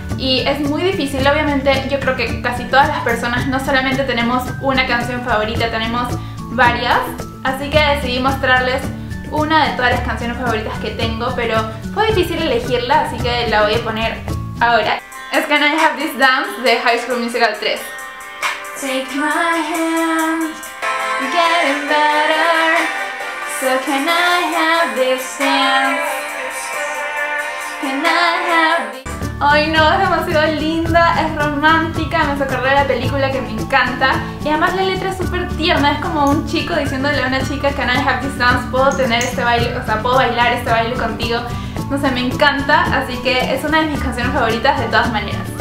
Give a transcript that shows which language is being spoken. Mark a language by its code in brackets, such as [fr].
[es] Y es muy difícil, obviamente. Yo creo que casi todas las personas no solamente tenemos una canción favorita, tenemos varias. Así que decidí mostrarles una de todas las canciones favoritas que tengo, pero fue difícil elegirla, así que la voy a poner ahora. Es Can I Have This Dance de High School Musical 3. [en] Take my hand, getting better, so can I have this dance? Can I have this... [es] Ay no, es demasiado linda, es romántica, me hace acordar la película que me encanta. Y además la letra es súper tierna, es como un chico diciéndole a una chica, [en] Can I have this dance? [es] Puedo tener este baile, o sea, puedo bailar este baile contigo. No sé, me encanta, así que es una de mis canciones favoritas de todas maneras.